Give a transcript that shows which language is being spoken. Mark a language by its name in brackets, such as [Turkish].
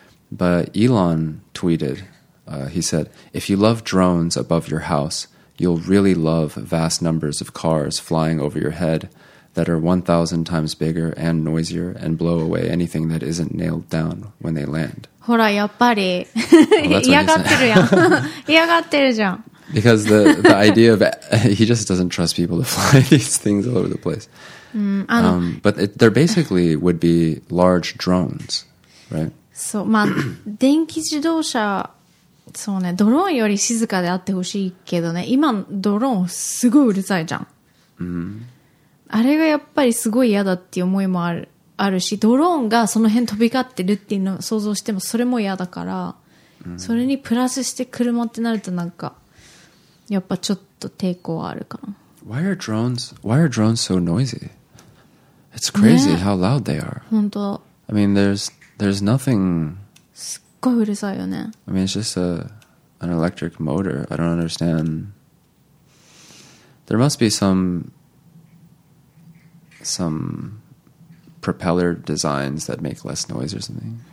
[English] But Elon tweeted, he said, if you love drones above your house, you'll really love vast numbers of cars flying over your head that are 1,000 times bigger and noisier and blow away anything that isn't nailed down when they land. [Japanese] ほらやっぱり嫌がってるやん嫌がってるじゃん。 [English] Because the idea of he just doesn't trust people to fly these things all over the place. But they're basically would be large drones, right? [Japanese] そうまあ電気自動車そうねドローンより静かであってほしいけどね今ドローンすごいうるさいじゃん。あれがやっぱりすごい嫌だっていう思いもある。あるしドローンがその辺飛び交ってるっていうのを想像してもそれも嫌だから、それにプラスして車ってなるとなんかやっぱちょっと抵抗はあるかな。 [English] Why are drones so noisy? It's crazy、ね、how loud they are. [Japanese] 本当 [English] I mean there's nothing [Japanese] すっごいうるさいよね。 [English] I mean it's just an electric motor. I don't understand. There must be somepropeller designs that make less noise or something.